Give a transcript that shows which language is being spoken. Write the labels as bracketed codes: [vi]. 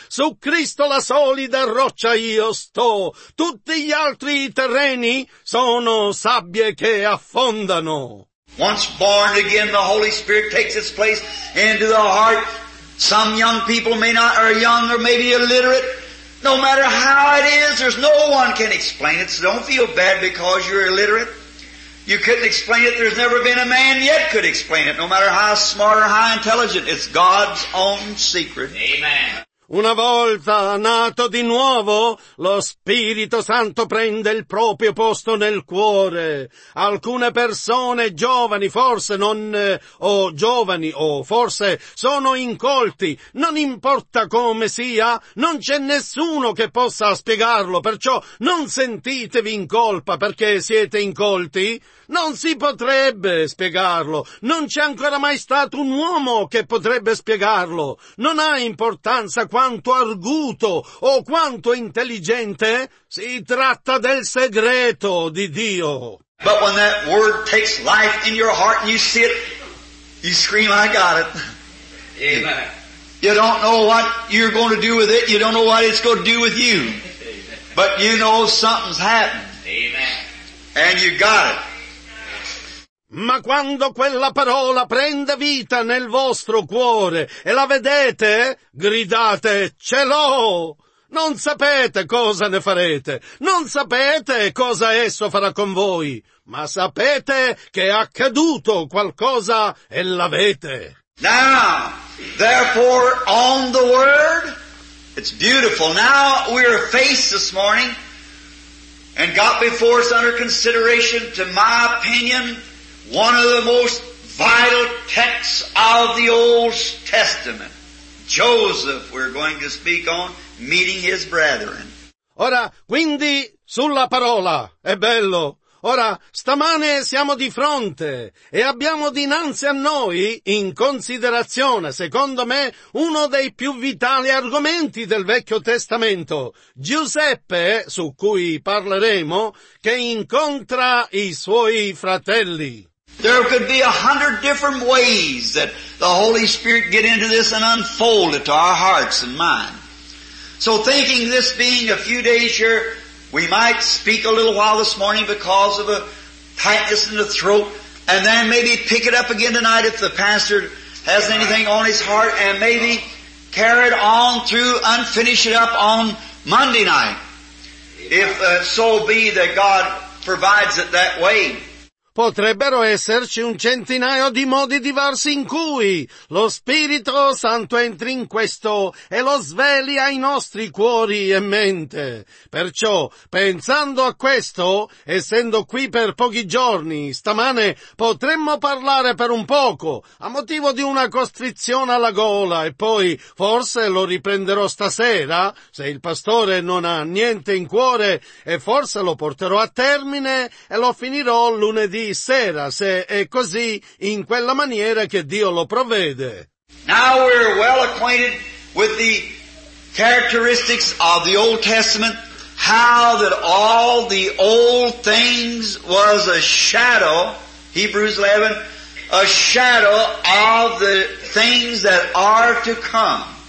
[it] Su Cristo la solida roccia io sto, tutti gli altri terreni sono sabbie che affondano. [en] Once born again, the Holy Spirit takes its place into the heart. Some young people may not, are young or maybe illiterate. No matter how it is, there's no one can explain it. So don't feel bad because you're illiterate. You couldn't explain it. There's never been a man yet could explain it. No matter how smart or how intelligent. It's God's own secret. Amen. [it] Una volta nato di nuovo, lo Spirito Santo prende il proprio posto nel cuore. Alcune persone giovani, forse non o giovani o forse sono incolti, non importa come sia, non c'è nessuno che possa spiegarlo, perciò non sentitevi in colpa perché siete incolti. Non si potrebbe spiegarlo, non c'è ancora mai stato un uomo che potrebbe spiegarlo. Non ha importanza quanto arguto o quanto intelligente, si tratta del segreto di Dio. [en] But when that word takes life in your heart and you see it, you scream, I got it. Amen. You don't know what you're going to do with it, you don't know what it's going to do with you. But you know something's happened. Amen. And you got it. [it] Ma quando quella parola prende vita nel vostro cuore e la vedete, gridate, ce l'ho! Non sapete cosa ne farete, non sapete cosa esso farà con voi, ma sapete che è accaduto qualcosa e l'avete. [en] Now, therefore, on the word, it's beautiful. Now we're faced this morning and got before us under consideration, to my opinion, one of the most vital texts of the Old Testament. Joseph, we're going to speak on, meeting his brethren. [it] Ora, quindi, sulla parola, è bello. Ora, stamane siamo di fronte e abbiamo dinanzi a noi, in considerazione, secondo me, uno dei più vitali argomenti del Vecchio Testamento, Giuseppe, su cui parleremo, che incontra i suoi fratelli. [en] There could be 100 different ways that the Holy Spirit get into this and unfold it to our hearts and mind. So thinking this being a few days here, we might speak a little while this morning because of a tightness in the throat, and then maybe pick it up again tonight if the pastor has anything on his heart, and maybe carry it on through and finish it up on Monday night. If so be that God provides it that way. [it] Potrebbero esserci un centinaio di modi diversi in cui lo Spirito Santo entri in questo e lo sveli ai nostri cuori e mente. Perciò, pensando a questo, essendo qui per pochi giorni, stamane potremmo parlare per un poco, a motivo di una costrizione alla gola, e poi forse lo riprenderò stasera, se il pastore non ha niente in cuore, e forse lo porterò a termine e lo finirò lunedì sera, se è così, in quella maniera che Dio lo provvede. [en] Now we're well acquainted with the characteristics of the Old Testament, how that all the old things was a shadow, Hebrews 11, a shadow of the things that are to come.